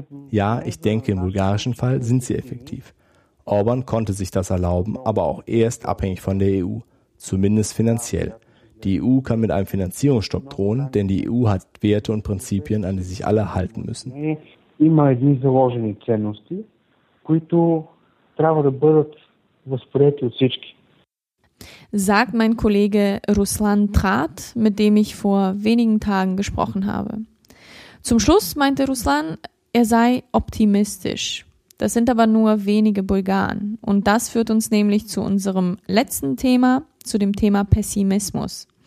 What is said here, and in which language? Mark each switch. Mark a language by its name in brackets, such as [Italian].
[German] Ja, ich denke, im bulgarischen Fall sind sie effektiv. Orban konnte sich das erlauben, aber auch er ist abhängig von der EU, zumindest finanziell. Die EU kann mit einem Finanzierungsstopp drohen, denn die EU hat Werte und Prinzipien, an die sich alle halten müssen. [Bulgarian] Има едни заложени ценности, които трябва да бъдат възприети от всички. [German] Sagt mein Kollege Ruslan Trat, mit dem ich vor wenigen Tagen gesprochen habe. Zum Schluss meinte Ruslan, er sei optimistisch. Das sind aber nur wenige Bulgaren. Und das führt uns nämlich zu unserem letzten Thema, zu dem Thema Pessimismus.